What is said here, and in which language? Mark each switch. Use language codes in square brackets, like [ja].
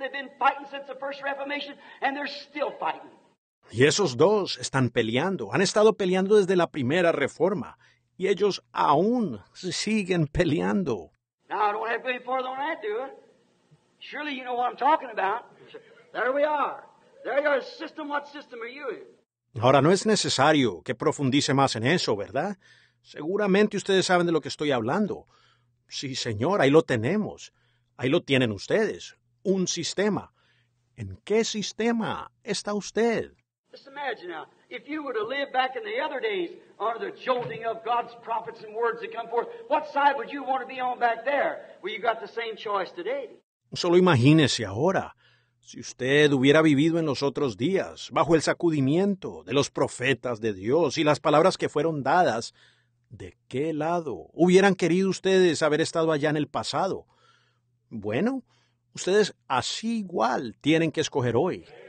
[en] They've been fighting since the first Reformation, and they're still fighting. [es] Y esos dos están peleando. Han estado peleando desde la primera Reforma, y ellos aún siguen peleando. [en] Now, I don't have to go any further on that, do I? Surely you know what I'm talking about. There we are. There you are. System, what system are you in? [es] Ahora, no es necesario que profundice más en eso, ¿verdad? Seguramente ustedes saben de lo que estoy hablando. Sí, señor, ahí lo tenemos. Ahí lo tienen ustedes. Un sistema. ¿En qué sistema está usted? [en] Just imagine now, if you were to live back in the other days under the jolting of God's prophets and words that come forth, what side would you want to be on back there? Well, you've got the same choice today. [es] Solo imagínese ahora, si usted hubiera vivido en los otros días, bajo el sacudimiento de los profetas de Dios y las palabras que fueron dadas, ¿de qué lado hubieran querido ustedes haber estado allá en el pasado? Bueno, ustedes así igual tienen que escoger hoy.